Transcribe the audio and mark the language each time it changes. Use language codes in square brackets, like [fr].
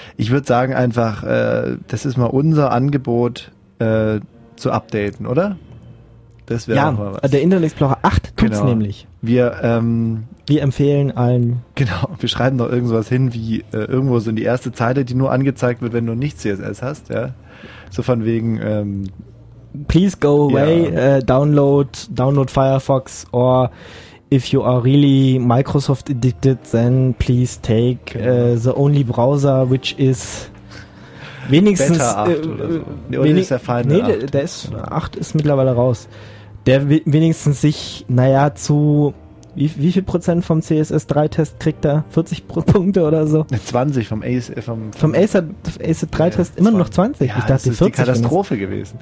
[de] Ich würde sagen einfach, das ist mal unser Angebot, zu updaten, oder? Das wäre ja auch mal was. Der Internet Explorer 8 tut's genau. Nämlich. Wir empfehlen allen. Genau, wir schreiben doch irgendwas hin, wie irgendwo so in die erste Zeile, die nur angezeigt wird, wenn du nicht CSS hast, ja. So von wegen, [en] please go away, download Firefox, or if you are really Microsoft addicted, then please take the only browser, which is [de] wenigstens Beta 8 oder so. Nee, oder ist der Feind 8? Der ist, 8 ist mittlerweile raus. Der wenigstens sich, naja, zu wie viel Prozent vom CSS3-Test kriegt er? 40 Punkte oder so? 20 vom Ace, vom Acer 3-Test, ja, immer 20. Nur noch 20. Ja, ich dachte, das ist 40 die Katastrophe gewesen.